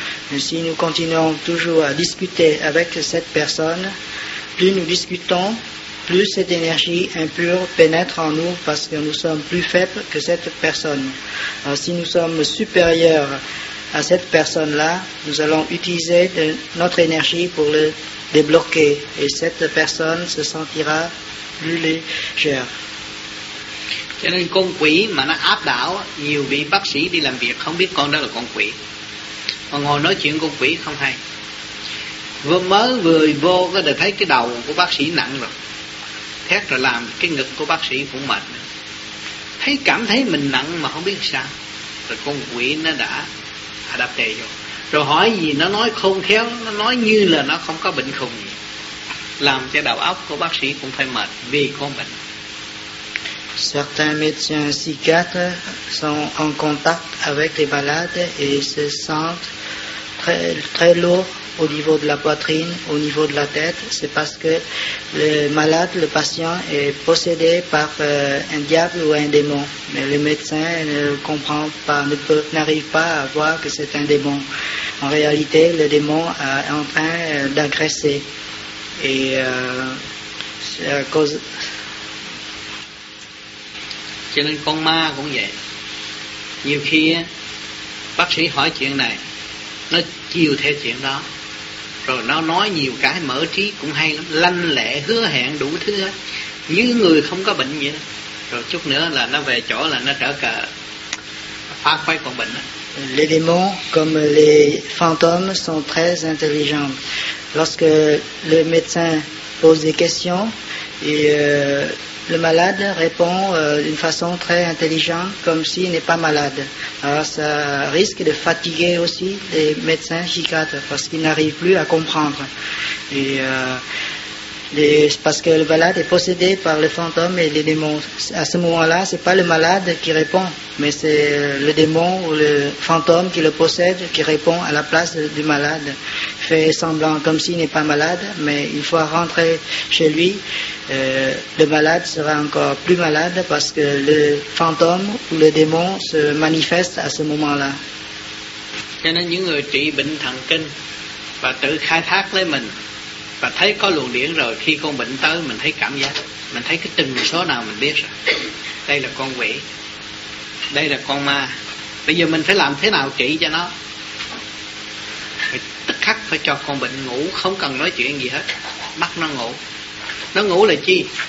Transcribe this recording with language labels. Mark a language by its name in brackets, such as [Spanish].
[French] Mais si nous continuons toujours à discuter avec cette personne, plus nous discutons, plus cette énergie impure pénètre en nous parce que nous sommes plus faibles que cette personne. Alors, si nous sommes supérieurs à cette personne-là, nous allons utiliser notre énergie pour le débloquer et cette personne se sentira plus légère. [Vietnamese] Cho nên con quỷ mà nó áp đảo, nhiều vị bác sĩ đi làm việc không biết con đó là con quỷ. Mà ngồi nói chuyện con quỷ không hay. Vừa vô có thể thấy cái đầu của bác sĩ nặng rồi. Thét rồi làm cái ngực của bác sĩ cũng mệt nữa. Thấy cảm thấy mình nặng mà không biết sao. Rồi con quỷ nó đã đáp đề vô. Rồi hỏi gì nó nói khôn khéo, nó nói như là nó không có bệnh khùng gì. Làm cho đầu óc của bác sĩ cũng phải mệt vì có bệnh. [French] Certains médecins psychiatres sont en contact avec les malades et se sentent très lourds. Au niveau de la poitrine, au niveau de la tête, c'est parce que le malade, le patient est possédé par un diable ou un démon. Mais le médecin ne comprend pas, n'arrive pas à voir que c'est un démon. En réalité, le démon est en train d'agresser. Et c'est à cause. [Vietnamese] Cho nên con ma cũng vậy. Nhiều khi bác sĩ hỏi chuyện này, nó chiều theo chuyện đó. Rồi nó nói nhiều cái mở trí cũng hay lắm, lanh lẹ hứa hẹn đủ thứ hết, như người không có bệnh vậy. Rồi chút nữa là nó về chỗ là nó trở cờ phá khuấy con bệnh đó. [French] Les démons comme les fantômes sont très intelligents. Lorsque le médecin pose des questions et le malade répond d'une façon très intelligente comme s'il n'est pas malade. Alors ça risque de fatiguer aussi les médecins psychiatres parce qu'ils n'arrivent plus à comprendre. Et parce que le malade est possédé par le fantôme et les démons. À ce moment-là, c'est pas le malade qui répond, mais c'est le démon ou le fantôme qui le possède qui répond à la place du malade. Fait semblant comme s'il n'est pas malade, mais une fois rentré chez lui, le malade sera encore plus malade parce que le fantôme ou le démon se manifeste à ce moment-là. [Vietnamese] Cho nên những người trị bệnh thần kinh và tự khai thác lấy mình và thấy có luồng điển rồi, khi con bệnh tới mình thấy cảm giác, mình thấy cái từng số nào mình biết rồi, đây là con quỷ, đây là con ma. Bây giờ mình phải làm thế nào trị cho nó? Phải tức khắc phải cho con bệnh ngủ, không cần nói chuyện gì hết, bắt nó ngủ. Nó ngủ là chi?